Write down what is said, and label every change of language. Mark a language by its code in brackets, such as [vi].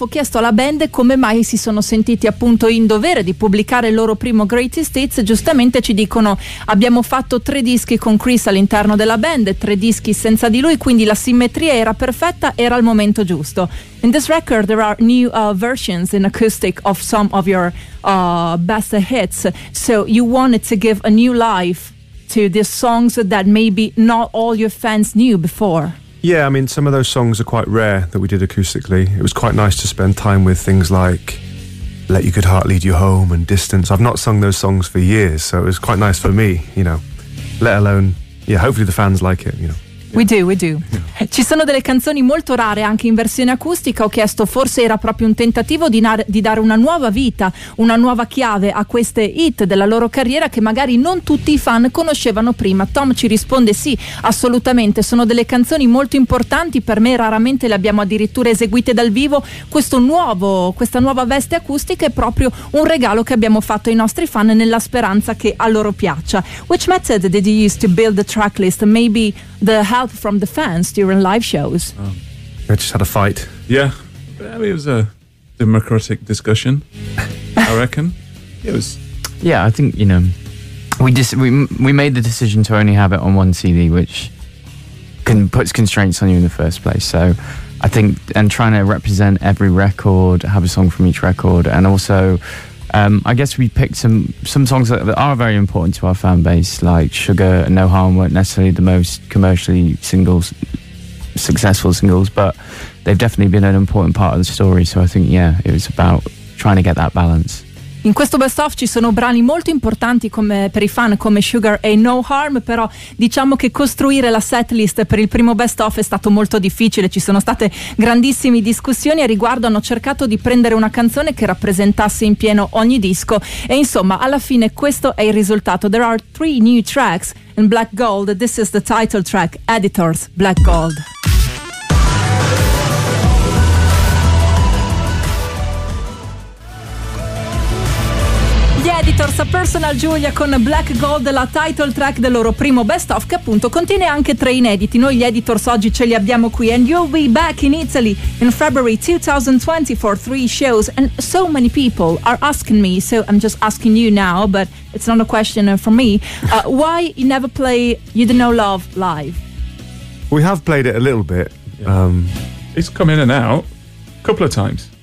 [it] Ho chiesto alla band come mai si sono sentiti appunto in dovere di pubblicare il loro primo greatest hits. Giustamente ci dicono: abbiamo fatto tre dischi con Chris all'interno della band, tre dischi senza di lui, quindi la simmetria era perfetta, era il momento giusto. [en] In this record there are new versions in acoustic of some of your best hits, so you wanted to give a new life to these songs that maybe not all your fans knew before. Yeah, I mean, some of those songs are quite rare that we did acoustically. It was quite nice to spend time with things like Let Your Good Heart Lead You Home and Distance. I've not sung those songs for years, so it was quite nice for me, you know, let alone, yeah, hopefully the fans like it, you know. We do. [it] Ci sono delle canzoni molto rare anche in versione acustica. Ho chiesto, forse era proprio un tentativo di dare una nuova vita, una nuova chiave a queste hit della loro carriera che magari non tutti i fan conoscevano prima. Tom ci risponde: sì, assolutamente, sono delle canzoni molto importanti per me, raramente le abbiamo addirittura eseguite dal vivo. Questa nuova veste acustica è proprio un regalo che abbiamo fatto ai nostri fan nella speranza che a loro piaccia. [en] Which method did you use to build the tracklist? Maybe the help from the fans during live shows? I just had a fight. Yeah, I mean, it was a democratic discussion, I reckon. It was. Yeah, I think, you know, we made the decision to only have it on one CD, which puts constraints on you in the first place. So I think, and trying to represent every record, have a song from each record, and also I guess we picked some songs that are very important to our fan base, like Sugar and No Harm weren't necessarily the most commercially successful singles, but they've definitely been an important part of the story. So I think, yeah, it was about trying to get that balance. [it] In questo best of ci sono brani molto importanti come per i fan come Sugar e No Harm, però diciamo che costruire la setlist per il primo best of è stato molto difficile, ci sono state grandissime discussioni a riguardo, hanno cercato di prendere una canzone che rappresentasse in pieno ogni disco e insomma alla fine questo è il risultato. [en] There are three new tracks in Black Gold, this is the title track, Editors, Black Gold. [it] Editors, a Personal Giulia con Black Gold, la title track del loro primo best of che appunto contiene anche tre inediti. Noi gli editors oggi ce li abbiamo qui. [en] And you'll be back in Italy in February 2020 for three shows. And so many people are asking me, so I'm just asking you now, but it's not a question for me. Why you never play You Don't Know Love live? We have played it a little bit. Yeah. It's come in and out a couple of times.